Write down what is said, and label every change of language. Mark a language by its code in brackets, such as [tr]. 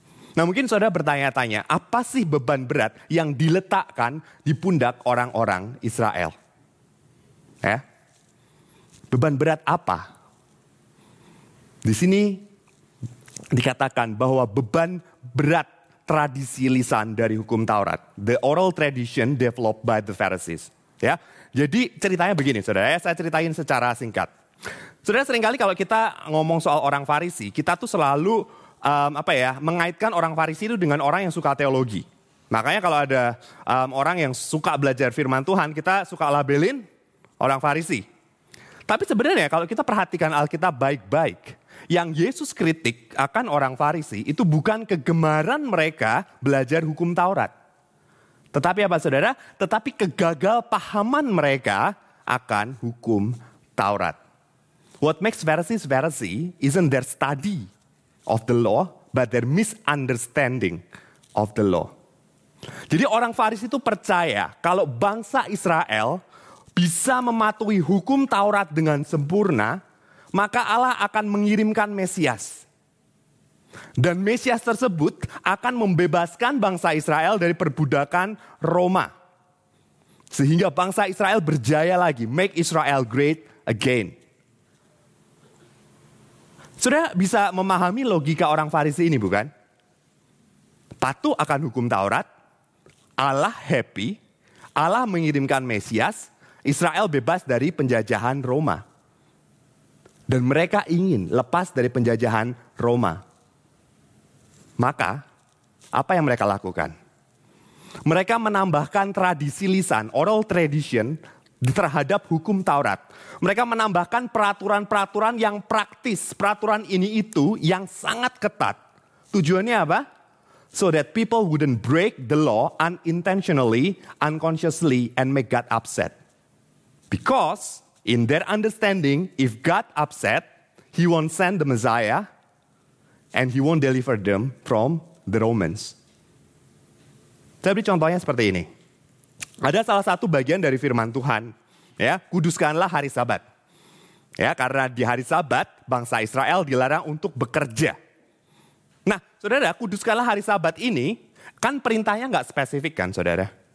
[id] Nah mungkin saudara bertanya-tanya, apa sih beban berat yang diletakkan di pundak orang-orang Israel? Beban berat apa? Di sini dikatakan bahwa beban berat tradisi lisan dari hukum Taurat. [en] The oral tradition developed by the Pharisees. [id] Ya, jadi ceritanya begini saudara, saya ceritain secara singkat. Saudara seringkali kalau kita ngomong soal orang Farisi, kita tuh selalu mengaitkan orang Farisi itu dengan orang yang suka teologi. Makanya kalau ada orang yang suka belajar firman Tuhan, kita suka labelin orang Farisi. Tapi sebenarnya kalau kita perhatikan Alkitab baik-baik, yang Yesus kritik akan orang Farisi itu bukan kegemaran mereka belajar hukum Taurat. Tetapi apa saudara? Tetapi kegagal pahaman mereka akan hukum Taurat. [en] What makes Pharisees Pharisee isn't their study of the law, but their misunderstanding of the law. [id] Jadi orang Farisi itu percaya kalau bangsa Israel bisa mematuhi hukum Taurat dengan sempurna, maka Allah akan mengirimkan Mesias. Dan Mesias tersebut akan membebaskan bangsa Israel dari perbudakan Roma. Sehingga bangsa Israel berjaya lagi, [en] make Israel great again. [id] Sudah bisa memahami logika orang Farisi ini, bukan? Patuh akan hukum Taurat, Allah happy, Allah mengirimkan Mesias, Israel bebas dari penjajahan Roma. Dan mereka ingin lepas dari penjajahan Roma. Maka, apa yang mereka lakukan? Mereka menambahkan tradisi lisan, [en] oral tradition, [id] terhadap hukum Taurat. Mereka menambahkan peraturan-peraturan yang praktis, peraturan ini itu yang sangat ketat. Tujuannya apa? [en] So that people wouldn't break the law unintentionally, unconsciously, and make God upset. Because in their understanding, if God upset, he won't send the Messiah, and he won't deliver them from the Romans. [id] Saya beri contohnya seperti ini. Ada salah satu bagian dari firman Tuhan, ya, kuduskanlah hari Sabat. Ya, karena di hari Sabat bangsa Israel dilarang untuk bekerja. Nah, saudara, kuduskanlah hari Sabat ini, kan perintahnya gak spesifik kan, saudara?